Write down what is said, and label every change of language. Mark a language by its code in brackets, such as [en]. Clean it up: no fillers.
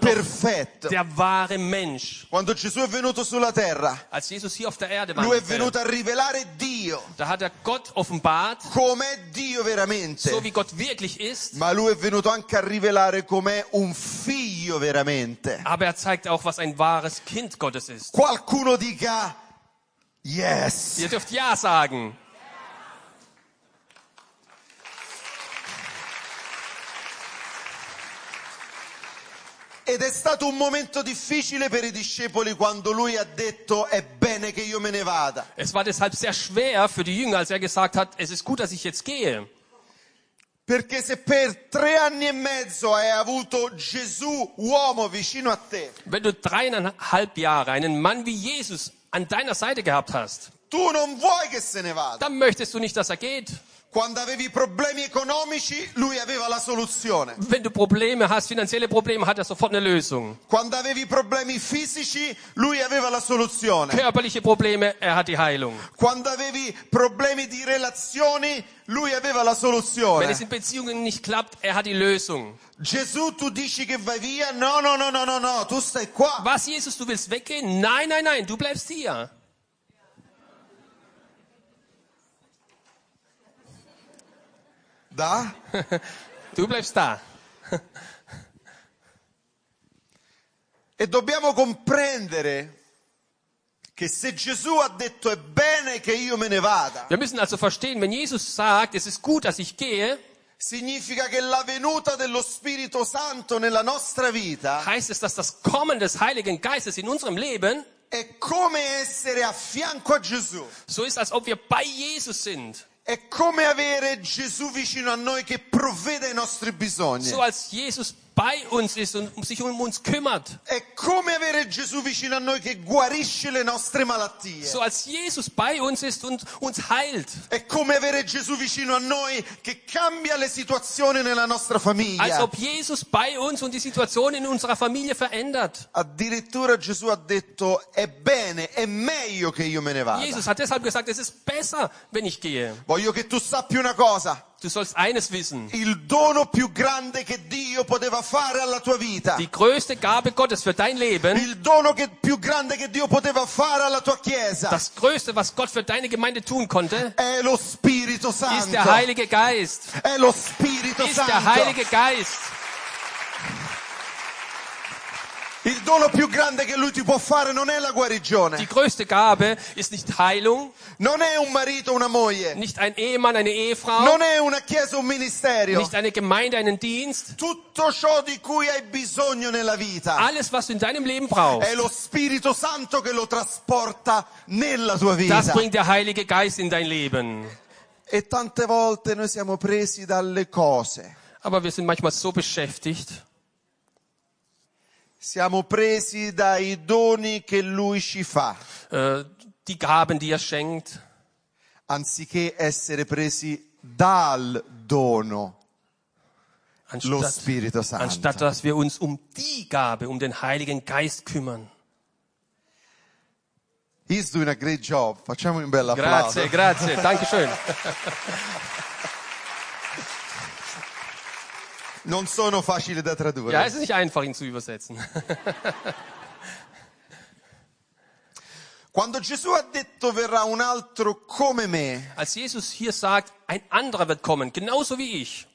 [it] perfetto. [de] Der wahre Mensch. [it] Quando Gesù è venuto sulla terra. [de] Als Jesus hier auf der Erde war. [it] Lui è venuto a rivelare Dio. [de] Da hat er Gott offenbart. [it] Com'è Dio veramente. [de] So wie Gott wirklich ist. [it] Ma lui è venuto anche a rivelare com'è un figlio veramente. [de] Aber er zeigt auch, was ein wahres Kind Gottes ist. [it] Qualcuno dica yes. [de] Ihr dürft ja sagen. [it] Ed è stato un momento difficile per i discepoli quando lui ha detto è bene che io me ne vada. [de] Es war deshalb sehr schwer für die Jünger, als er gesagt hat, es ist gut, dass ich jetzt gehe. [it] Perché se per tre anni e mezzo hai avuto Gesù uomo vicino a te. [de] Wenn du dreieinhalb Jahre einen Mann wie Jesus an deiner Seite gehabt hast. [it] Tu non vuoi che se ne vada. [de] Dann möchtest du nicht, dass er geht. [it] Quando avevi problemi economici, lui aveva la soluzione. [de] Wenn du Probleme hast, finanzielle Probleme, hat er sofort eine Lösung. [it] Quando avevi problemi fisici, lui aveva la soluzione. [de] Körperliche Probleme, er hat die Heilung. [it] Quando avevi problemi di relazioni, lui aveva la soluzione. [de] Wenn es in Beziehungen nicht klappt, er hat die Lösung. [it] Gesù, tu dici che vai via? No, no, no, no, no, no, tu stai qua. [de] Was, Jesus, du willst weggehen? Nein, nein, nein, du bleibst hier. Da? Du bleibst da. [it] E dobbiamo comprendere che se Gesù ha detto è bene che io me ne vada. [de] Wir müssen also verstehen, wenn Jesus sagt, es ist gut, dass ich gehe, [it] significa che la venuta dello Spirito Santo nella nostra vita [de] heißt es, dass das Kommen des Heiligen Geistes in unserem Leben [it] è come essere a fianco a Gesù. [de] So ist, als ob wir bei Jesus sind. [it] È come avere Gesù vicino a noi che provvede ai nostri bisogni. [de] So als Jesus bei uns ist und sich um uns kümmert. [it] È come avere Gesù vicino a noi che guarisce le nostre malattie. [de] So als Jesus bei uns ist und uns heilt. [it] È come avere Gesù vicino a noi che cambia le situazioni nella nostra famiglia. [de] Als ob Jesus bei uns und die Situation in unserer Familie verändert. [it] Addirittura Gesù ha detto è bene, è meglio che io me ne vada. [de] Jesus hat deshalb gesagt, es ist besser, wenn ich gehe. [it] Voglio che tu sappia una cosa. [de] Du sollst eines wissen. [it] Il dono più grande che Dio poteva fare alla tua vita. [de] Die größte Gabe Gottes für dein Leben. [it] Il dono che più grande che Dio poteva fare alla tua chiesa. [de] Das größte, was Gott für deine Gemeinde tun konnte. [it] È lo Spirito Santo. [de] Ist der Heilige Geist. [it] È lo Spirito Santo. [de] Ist der Heilige Geist. [it] Il dono più grande che lui ti può fare non è la guarigione. [de] Die größte Gabe ist nicht Heilung. [it] Non è un marito, una moglie. [de] Nicht ein Ehemann, eine Ehefrau. [it] Non è una chiesa, un ministerio. [de] Nicht eine Gemeinde, einen Dienst. [it] Tutto ciò di cui hai bisogno nella vita. [de] Alles, was du in deinem Leben brauchst. [it] È lo Spirito Santo che lo trasporta nella tua vita. [de] Das bringt der Heilige Geist in dein Leben. [it] E tante volte noi siamo presi dalle cose. [de] Aber wir sind manchmal so beschäftigt. [it] Siamo presi dai doni che lui ci fa. [de] Die Gaben, die schenkt. [it] Anziché essere presi dal dono. Lo Spirito Santo. [de] Anstatt dass wir uns die Gabe, den Heiligen Geist kümmern. [en] He's doing a great job. [it] Facciamo un bel applauso. Grazie, grazie. [de] Danke schön. [it] Non sono facile da tradurre. [de] Ja, es ist nicht einfach, ihn zu übersetzen. [it] Quando Gesù ha detto verrà un altro come me. [de] Als Jesus hier sagt, ein anderer wird kommen, genauso wie ich.